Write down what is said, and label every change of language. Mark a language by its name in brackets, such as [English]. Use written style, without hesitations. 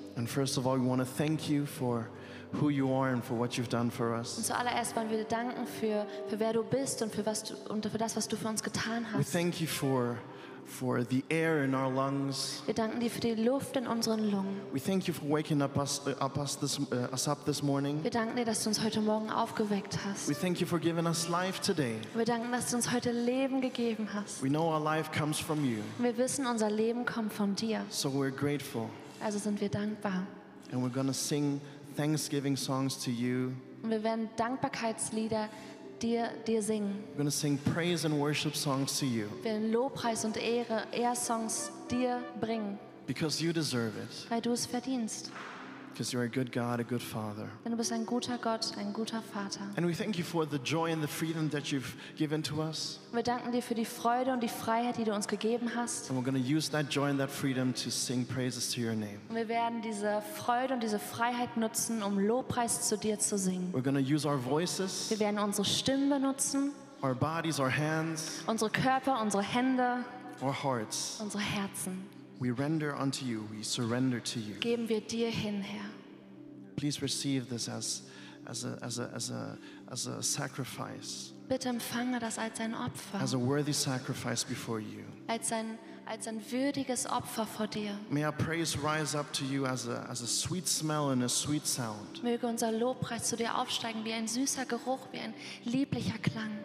[English] And first of all, we want to thank you for who you are and for what you've done for us. [German] Und zuallererst wollen wir dir danken für wer du bist und für was du, und für das, was du für uns getan hast. [English] We thank you for the air in our lungs. [German] Wir danken dir für die Luft in unseren Lungen. [English] We thank you for waking us up this morning. [German] Wir danken dir, dass du uns heute Morgen aufgeweckt hast. [English] We thank you for giving us life today. [German] Wir danken, dass du uns heute Leben gegeben hast. [English] We know our life comes from you. [German] Wir wissen, unser Leben kommt von dir. [English] So we're grateful. [German] Also sind wir dankbar. [English] And we're gonna sing thanksgiving songs to you. [German] Und wir werden Dankbarkeitslieder dir singen. [English] We're going to sing praise and worship songs to you. [German] Wir werden Lobpreis und Ehre, Ehrsongs dir bringen. [English] Because you deserve it. [German] Weil du es verdienst. [English] Because you're a good God, a good Father. [German] Denn du bist ein guter Gott, ein guter Vater. [English] And we thank you for the joy and the freedom that you've given to us. [German] Wir danken dir für die Freude und die Freiheit, die du uns gegeben hast. [English] And we're going to use that joy and that freedom to sing praises to your name. [German] Wir werden diese Freude und diese Freiheit nutzen, um Lobpreis zu dir zu singen. [English] We're going to use our voices. [German] Wir werden unsere Stimmen benutzen. [English] Our bodies, our hands. [German] Unsere Körper, unsere Hände. [English] Our hearts. [German] Unsere Herzen. [English] We render unto you, we surrender to you. [German] Geben wir dir hin, Herr. [English] Please receive this as a sacrifice. [German] Bitte empfange das als ein Opfer. [English] As a worthy sacrifice before you. [German] Als ein als ein würdiges Opfer vor dir. [English] May our praise rise up to you as a sweet smell and a sweet sound. [German] Möge unser Lobpreis zu dir aufsteigen wie ein süßer Geruch, wie ein lieblicher Klang.